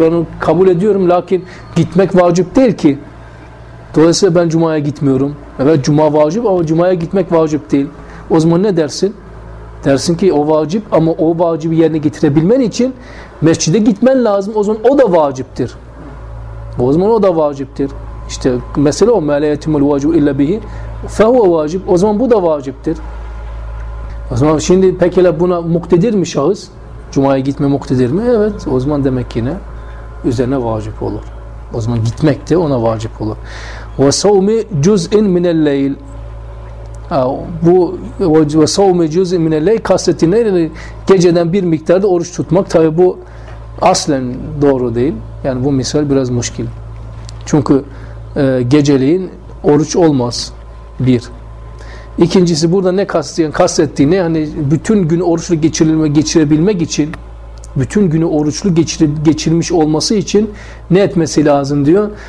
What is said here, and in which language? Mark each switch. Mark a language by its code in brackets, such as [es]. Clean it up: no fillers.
[tr] Ben onu kabul ediyorum. Lakin gitmek vacip değil ki. Dolayısıyla ben cumaya gitmiyorum. Evet cuma vacip ama cumaya gitmek vacip değil. O zaman ne dersin? Dersin ki o vacip ama o vacibi yerine getirebilmen için mescide gitmen lazım. O zaman o da vaciptir. O zaman o da vaciptir. İşte mesele o. [ar] مَلَيَتِمُ الْوَاجُبُ اِلَّا بِهِ فَهُوَ وَاجِبُ [tr] O zaman bu da vaciptir. O zaman şimdi pekala buna muktedir mi şahıs? Cuma'ya gitme muktedir mi? Evet. O zaman demek ki ne? Üzerine vacip olur. O zaman gitmek de ona vacip olur. [ar] وَسَوْمِ جُزْءٍ مِنَ الْلَيْلِ [tr] Bu [ar] وَسَوْمِ جُزْءٍ مِنَ الْلَيْلِ [tr] kasteti ne? Geceden bir miktarda oruç tutmak. Tabi bu aslen doğru değil. Yani bu misal biraz müşkil. Çünkü geceliğin oruç olmaz. Bir. İkincisi burada ne kastettiğini yani bütün günü oruçlu geçirebilmek için bütün günü oruçlu geçirmiş olması için ne etmesi lazım diyor.